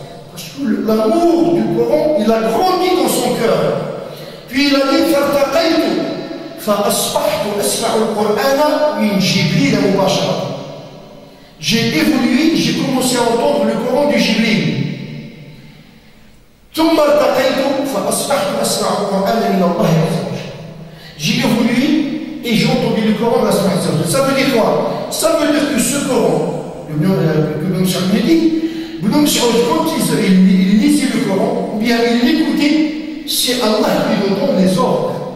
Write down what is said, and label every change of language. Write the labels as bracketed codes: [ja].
[fr] Parce que l'amour du Coran, il a grandi dans son cœur. Puis il a dit, [ar] فَرْتَقَيْتُ فَأَصْبَحْتُ أَسْمَعُ الْقُرْآنَ مِنْ جِبْرِيلَ مُبَشَرًا. [fr] J'ai évolué, j'ai commencé à entendre le Coran du Jibril. [ar] ثُمَّ ارْتَقَيْتُ فَأَصْبَحْتُ أَسْمَعُ الْقُرْآنَ مِنْ اللَّهِ عَزَّ وَجَلَّ. [fr] J'ai évolué et j'ai entendu le Coran d'Allah Subhanahu wa Ta'ala. Ça veut dire quoi? Ça veut dire que ce Coran, Ibn Mas'ud me dit, Ibn Mas'ud, quand il lisait le Coran, ou bien il l'écoutait, c'est Allah qui nous donne les ordres.